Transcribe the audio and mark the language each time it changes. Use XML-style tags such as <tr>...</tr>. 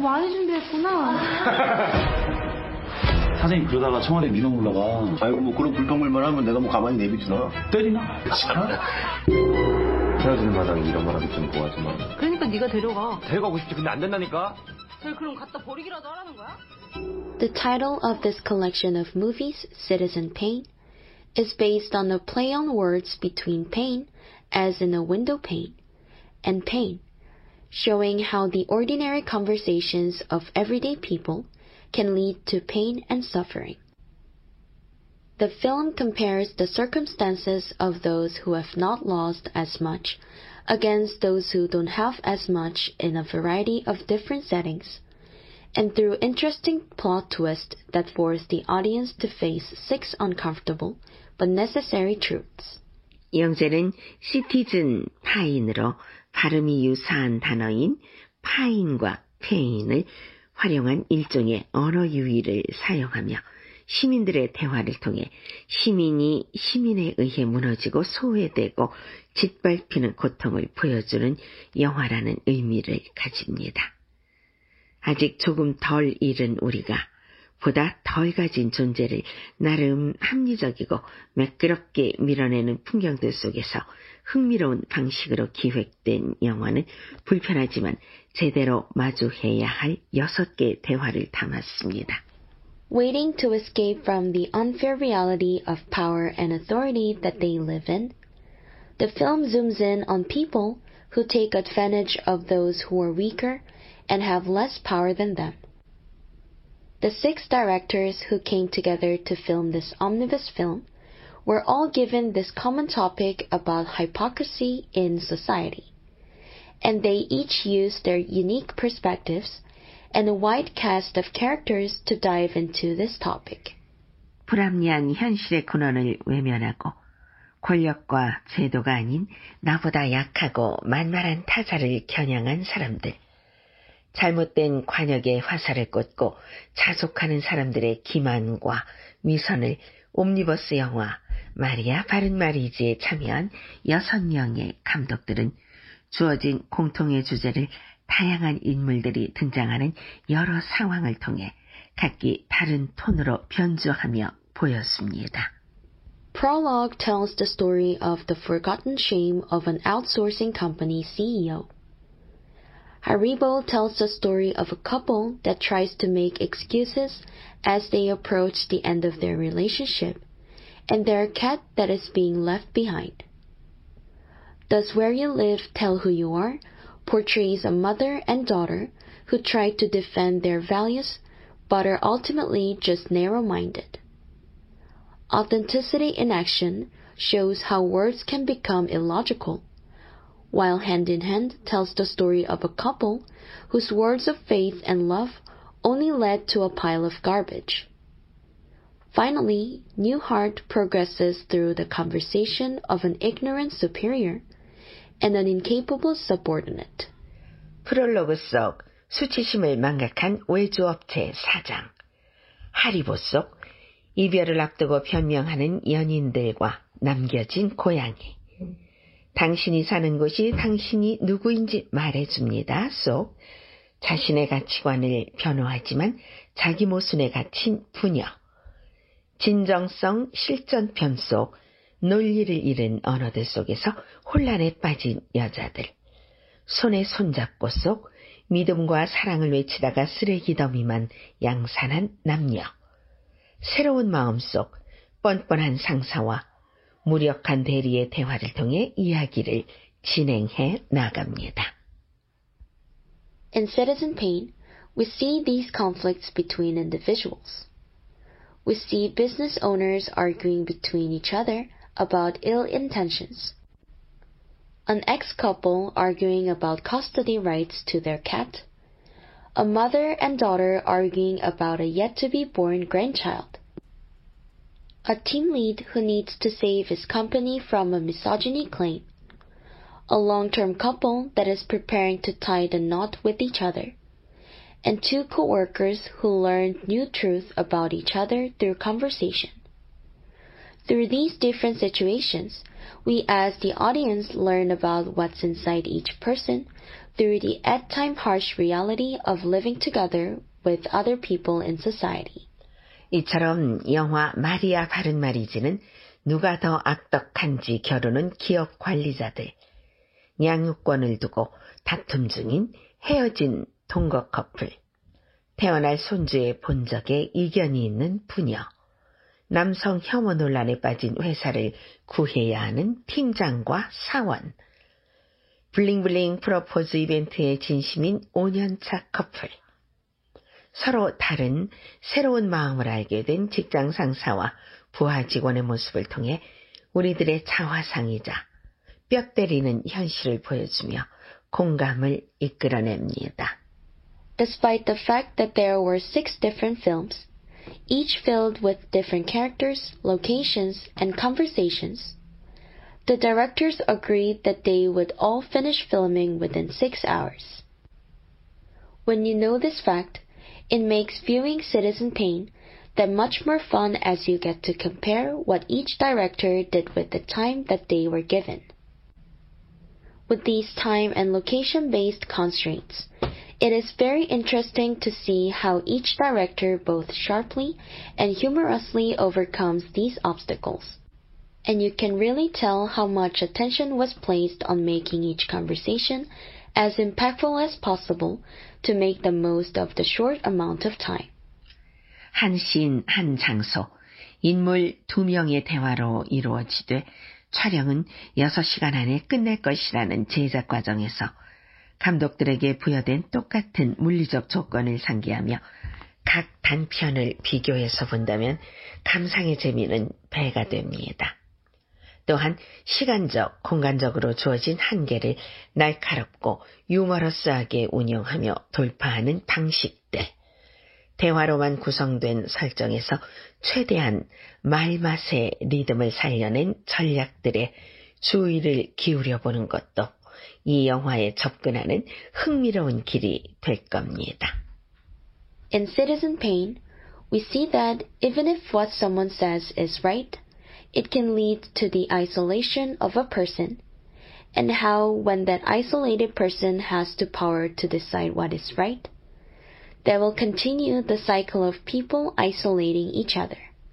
<ko>많이 준비했구나. 사장님 그러다가 청와대 민원 올라가. 아이고 뭐 그런 불평불만 하면 내가 뭐 가만히 내비두나? 때리나? 헤어지는 마당에 이런 말 하기 좀 뭐하지 마. 그러니까 네가 데려가. 데려가고 싶지 근데 안 된다니까. 쟤 그럼 갖다 버리기라도 하라는 거야?</ko> <en>The title of this collection of movies, Citizen Payne, is based on a play on words between pane, as in a window pane, and pain, showing how the ordinary conversations of everyday people can lead to pain and suffering. The film compares the circumstances of those who have not lost as much against those who don't have as much in a variety of different settings, and through interesting plot twist that force the audience to face six uncomfortable but necessary truths.</en> <ko>영재는 시티즌 파인으로 발음이 유사한 단어인 파인과 페인을 활용한 일종의 언어 유희를 사용하며 시민들의 대화를 통해 시민이 시민에 의해 무너지고 소외되고 짓밟히는 고통을 보여주는 영화라는 의미를 가집니다. 아직 조금 덜 잃은 우리가 보다 덜 가진 존재를 나름 합리적이고 매끄럽게 밀어내는 풍경들 속에서 흥미로운 방식으로 기획된 영화는 불편하지만 제대로 마주해야 할 여섯 개의 대화를 담았습니다.</ko> <en>Waiting to escape from the unfair reality of power and authority that they live in, the film zooms in on people who take advantage of those who are weaker and have less power than them. The six directors who came together to film this omnibus film were all given this common topic about hypocrisy in society, and they each used their unique perspectives and a wide cast of characters to dive into this topic.</en> <ko>불합리한 현실의 근원을 외면하고 권력과 제도가 아닌 나보다 약하고 만만한 타자를 겨냥한 사람들, 잘못된 관역에 화살을 꽂고 자족하는 사람들의 기만과 위선을 옴니버스 영화 마리아 바른마리지에 참여한 여섯 명의 감독들은 주어진 공통의 주제를 다양한 인물들이 등장하는 여러 상황을 통해 각기 다른 톤으로 변주하며 보였습니다.</ko> <en>Prologue tells the story of the forgotten shame of an outsourcing company CEO. Haribo tells the story of a couple that tries to make excuses as they approach the end of their relationship and their cat that is being left behind. Does Where You Live Tell Who You Are portrays a mother and daughter who try to defend their values but are ultimately just narrow-minded. Authenticity in Action shows how words can become illogical, while Hand in Hand tells the story of a couple whose words of faith and love only led to a pile of garbage. Finally, New Heart progresses through the conversation of an ignorant superior and an incapable subordinate.</en> <ko>프롤로그 속 수치심을 망각한 외주업체 사장, 하리보 속 이별을 앞두고 변명하는 연인들과 남겨진 고양이, 당신이 사는 곳이 당신이 누구인지 말해줍니다. 속 자신의 가치관을 변호하지만 자기 모순에 갇힌 부녀, 진정성 실전편 속 논리를 잃은 언어들 속에서 혼란에 빠진 여자들, 손에 손잡고 속 믿음과 사랑을 외치다가 쓰레기더미만 양산한 남녀, 새로운 마음 속 뻔뻔한 상사와 무력한 대리의 대화를 통해 이야기를 진행해 나갑니다.</ko> <en>In Citizen Payne, we see these conflicts between individuals. We see business owners arguing between each other about ill intentions. An ex-couple arguing about custody rights to their cat. A mother and daughter arguing about a yet-to-be-born grandchild. a team lead who needs to save his company from a misogyny claim, a long-term couple that is preparing to tie the knot with each other, and two co-workers who learn new truth about each other through conversation. Through these different situations, we as the audience learn about what's inside each person through the at times harsh reality of living together with other people in society.</en> <ko>이처럼 영화 마리아 바른 마리즈는 누가 더 악덕한지 겨루는 기업 관리자들, 양육권을 두고 다툼 중인 헤어진 동거 커플, 태어날 손주의 본적에 이견이 있는 부녀, 남성 혐오 논란에 빠진 회사를 구해야 하는 팀장과 사원, 블링블링 프로포즈 이벤트에 진심인 5년차 커플, 서로 다른 새로운 마음을 알게 된 직장 상사와 부하 직원의 모습을 통해 우리들의 자화상이자 뼈 때리는 현실을 보여주며 공감을 이끌어냅니다.</ko> <en>Despite the fact that there were six different films, each filled with different characters, locations, and conversations, the directors agreed that they would all finish filming within 6 hours. When you know this fact, it makes viewing Citizen Kane that much more fun as you get to compare what each director did with the time that they were given. With these time and location-based constraints, it is very interesting to see how each director both sharply and humorously overcomes these obstacles. And you can really tell how much attention was placed on making each conversation as impactful as possible to make the most of the short amount of time.</en> <ko>한 씬, 한 장소, 인물 두 명의 대화로 이루어지되 촬영은 6시간 안에 끝낼 것이라는 제작 과정에서 감독들에게 부여된 똑같은 물리적 조건을 상기하며 각 단편을 비교해서 본다면 감상의 재미는 배가 됩니다. 또한 시간적, 공간적으로 주어진 한계를 날카롭고 유머러스하게 운영하며 돌파하는 방식들, 대화로만 구성된 설정에서 최대한 말맛의 리듬을 살려낸 전략들에 주의를 기울여 보는 것도 이 영화에 접근하는 흥미로운 길이 될 겁니다.</ko> <en>In Citizen Kane, we see that even if what someone says is right, it can lead to the isolation of a person, and how when that isolated person has the power to decide what is right, that will continue the cycle of people isolating each other.</en>